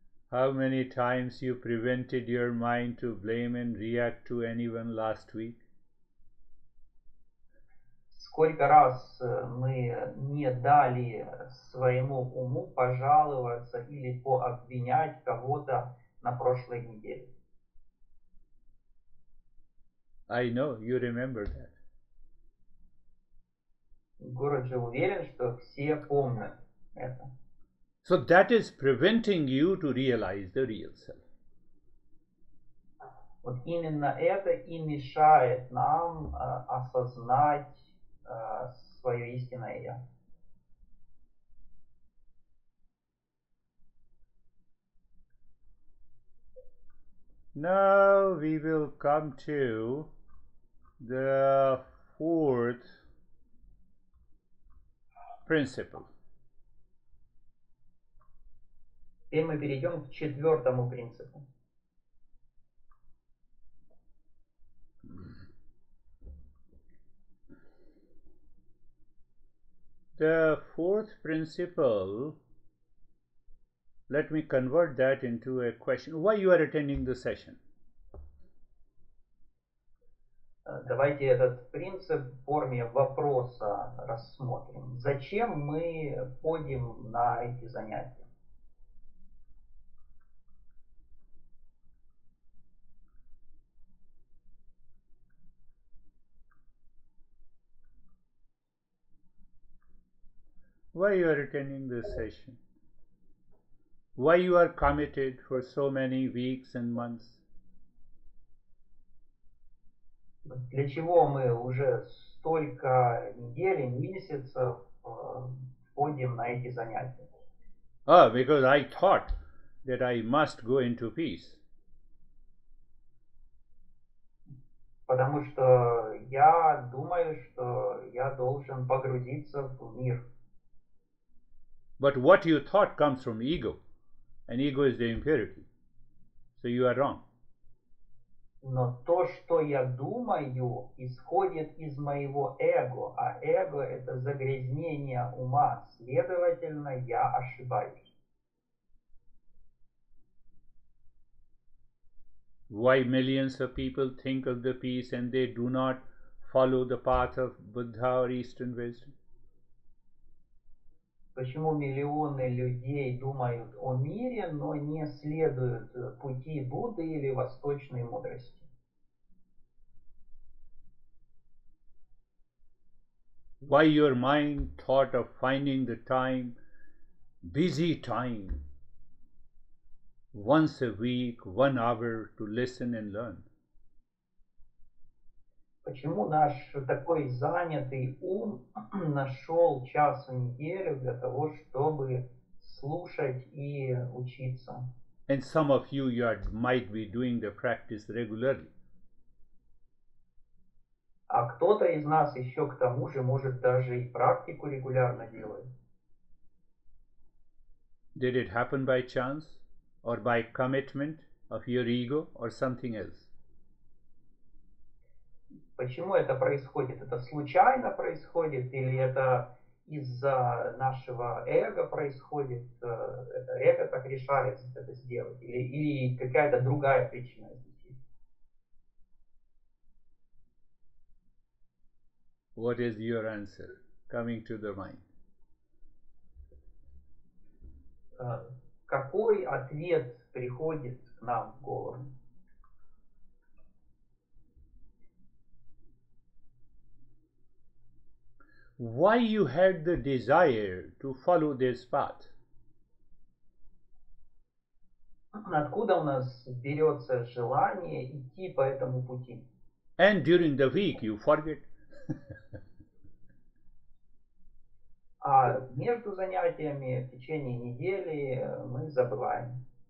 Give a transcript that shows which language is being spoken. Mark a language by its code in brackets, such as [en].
[en] How many times you prevented your mind to blame and react to anyone last week? [ru] Сколько раз мы не дали своему уму пожаловаться или пообвинять кого-то на прошлой неделе? [en] I know, you remember that. [ru] Гуруджи уверен, что все помнят это. [en] So that is preventing you to realize the real self. [ru] Вот именно это и мешает нам осознать свое истинное я. [en] Now we will come to the fourth principle. [ru] Теперь мы перейдем к четвертому принципу. [en] The fourth principle, let me convert that into a question. Why you are attending the session? [ru] Давайте этот принцип в форме вопроса рассмотрим. Зачем мы ходим на эти занятия? [en] Why you are attending this session? Why you are committed for so many weeks and months? [ru] Для чего мы уже столько недель, месяцев ходим на эти занятия? [en] Oh, because I thought that I must go into peace. [ru] Потому что я думаю, что я должен погрузиться в мир. [en] But what you thought comes from ego, and ego is the impurity. So you are wrong. [ru] Но то, что я думаю, исходит из моего эго, а эго – это загрязнение ума. Следовательно, я ошибаюсь. [en] Why millions of people think of the peace and they do not follow the path of Buddha or Eastern wisdom? [ru] Почему миллионы людей думают о мире, но не следуют пути Будды или восточной мудрости? [en] Why your mind thought of finding the time, busy time, once a week, 1 hour to listen and learn? [ru] Почему наш такой занятый ум нашел час в неделю для того, чтобы слушать и учиться? [en] And some of you, you are, might be doing the practice regularly. [ru] А кто-то из нас еще к тому же может даже и практику регулярно делать. [en] Did it happen by chance or by commitment of your ego or something else? [ru] Почему это происходит? Это случайно происходит или это из-за нашего эго происходит? Эго так решает это сделать или какая-то другая причина? [en] What is your answer coming to the mind? [ru] Какой ответ приходит к нам в голову? [en] Why you had the desire to follow this path? [ru] Откуда у нас берется желание идти по этому пути? [en] And during the week you forget. [ru] А между занятиями в течение недели мы забываем.